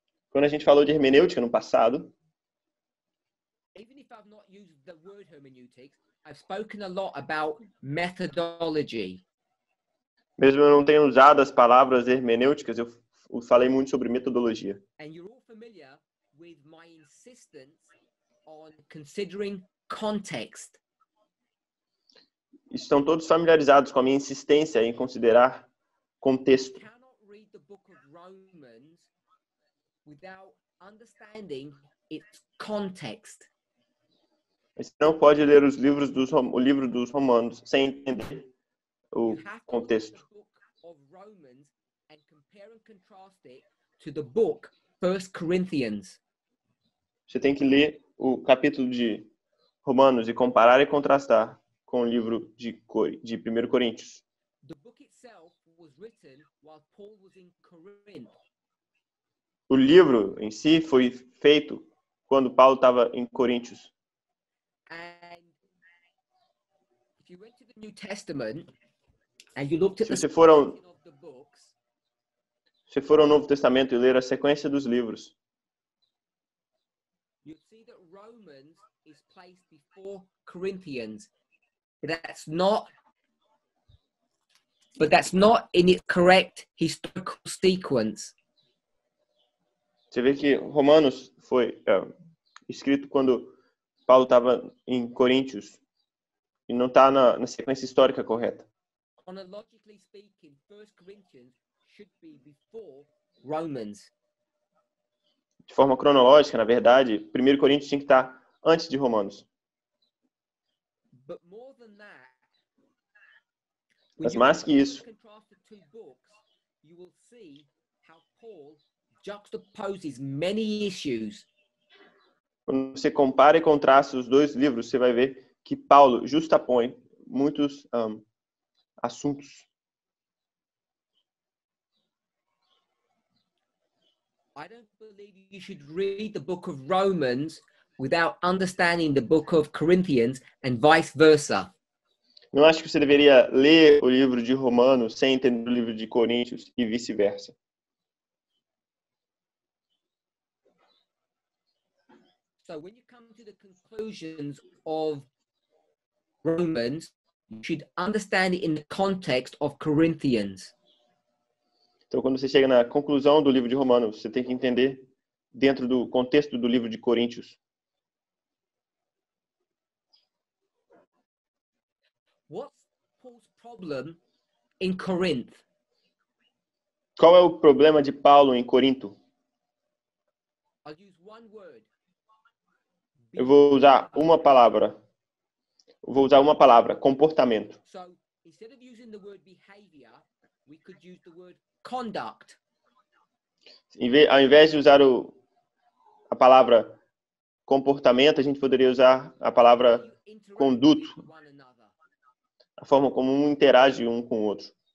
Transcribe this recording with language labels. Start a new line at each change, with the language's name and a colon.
Portuguese: Quando a gente falou de hermenêutica no passado, mesmo eu não tenho usado as palavras hermenêuticas, eu falei muito sobre metodologia. E vocês estão familiar com minha insistência
English: on considering context.
Portuguese: Estão todos familiarizados com a minha insistência em considerar contexto.
English: You cannot read the book of Romans without understanding its context.
Portuguese: Você não pode ler os livros dos livro dos Romanos sem entender o contexto.
English: You have to read the book of Romans and compare and contrast it to the book 1 Corinthians.
Portuguese: Você tem que ler o capítulo de Romanos e comparar e contrastar com o livro de 1 Coríntios.
English: The book itself was written while Paul was in Corinth.
Portuguese: O livro em si foi feito quando Paulo estava em Coríntios.
English: If you went to the New Testament and you looked at the of the books,
Portuguese: se for ao Novo Testamento e ler a sequência dos livros,
English: Romans is placed before Corinthians. But that's not in its correct historical sequence.
Portuguese: Você vê que Romanos foi escrito quando Paulo estava em Coríntios e não está na sequência histórica correta.
English: Chronologically speaking, 1 Corinthians should be before Romans.
Portuguese: De forma cronológica, na verdade, 1 Coríntios tinha que estar antes de Romanos.
English: But more than that,
Portuguese: mas mais que isso,
English: books, you will see how Paul juxtaposes many issues.
Portuguese: Quando você compara e contrasta os dois livros, você vai ver que Paulo justapõe muitos assuntos.
English: I don't believe you should read the book of Romans without understanding the book of Corinthians and vice versa.
Portuguese: Não acho que você deveria ler o livro de Romanos sem entender o livro de Coríntios e vice-versa.
English: So when you come to the conclusions of Romans, You should understand it in the context of Corinthians.
Portuguese: Então, quando você chega na conclusão do livro de Romanos, você tem que entender dentro do contexto do livro de Coríntios.
English: What's Paul's problem in Corinth?
Portuguese: Qual é o problema de Paulo em Corinto?
English: I'll use one word.
Portuguese: Eu vou usar uma palavra. Vou usar uma palavra, comportamento.
English: So, instead of using the word behavior, we could use the word conduct.
Portuguese: Ao invés de usar a palavra comportamento, a gente poderia usar a palavra conduto. A forma como um interage um com o outro.